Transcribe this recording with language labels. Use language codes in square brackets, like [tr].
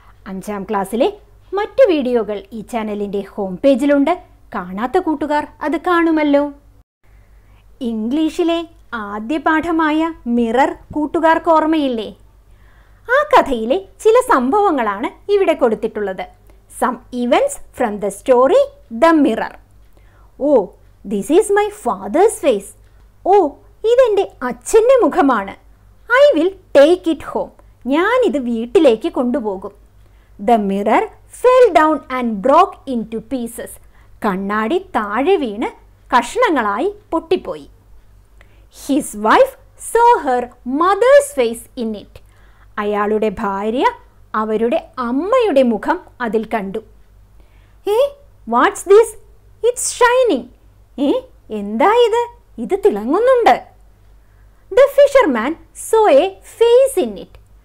[ml] അഞ്ചാം ക്ലാസ്സിലെ മറ്റ് വീഡിയോകൾ ഈ ചാനലിൻ്റെ ഹോം പേജിലുണ്ട്. കാണാത്ത കൂട്ടുകാർ അത് കാണുമല്ലോ. ഇംഗ്ലീഷിലെ ആദ്യ പാഠമായ മിറർ കൂട്ടുകാർക്ക് ഓർമ്മയില്ലേ? ആ കഥയിലെ ചില സംഭവങ്ങളാണ് ഇവിടെ കൊടുത്തിട്ടുള്ളത്. [en] Some events from the story, The Mirror. Oh, this is my father's face. [ml] Oh, ഇതെൻ്റെ അച്ഛൻ്റെ മുഖമാണ്. [en] I will take it home. [ml] ഞാനിത് വീട്ടിലേക്ക് കൊണ്ടുപോകും. [en] The mirror fell down and broke into pieces. [ml] കണ്ണാടി താഴെ വീണ് കഷ്ണങ്ങളായി പൊട്ടിപ്പോയി. [en] His wife saw her mother's face in it. [ml] അയാളുടെ ഭാര്യ അവരുടെ അമ്മയുടെ മുഖം അതിൽ കണ്ടു. ഏ, [en] What's these? It's shining. [ml] ഏ, എന്താ ഇത്? ഇത് തിളങ്ങുന്നുണ്ട്. [en] The fisherman saw a face in it.